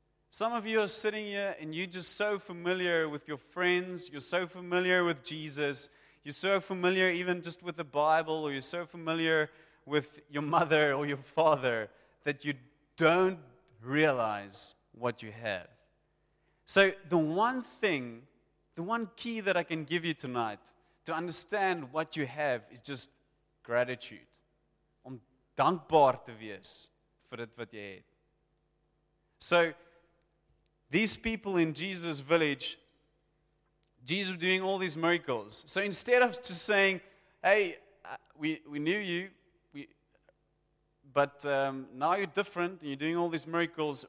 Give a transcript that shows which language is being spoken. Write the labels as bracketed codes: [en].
[en] Some of you are sitting here and you're just so familiar with your friends, you're so familiar with Jesus, you're so familiar even just with the Bible, or you're so familiar with your mother or your father that you don't realize what you have. So the one thing, the one key that I can give you tonight to understand what you have is just gratitude. [af] Om dankbaar te wees vir dit wat jy het. [en] So, these people in Jesus' village, Jesus doing all these miracles. So instead of just saying, "Hey, we knew you, but now you're different and you're doing all these miracles.